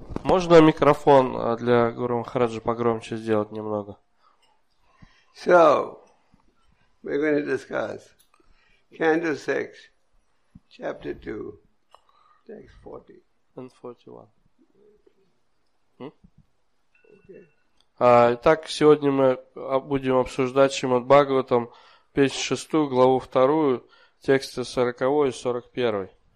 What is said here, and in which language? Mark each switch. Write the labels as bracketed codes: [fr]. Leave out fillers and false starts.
[ru] Можно микрофон для Гуру Махараджи погромче сделать немного? [en] So, we're going to discuss Canto 6, Chapter 2, Text 40. And 41. Okay. [ru] Итак, сегодня мы будем обсуждать Шримад Бхагаватам, песню 6, главу 2, тексты 40 и 41.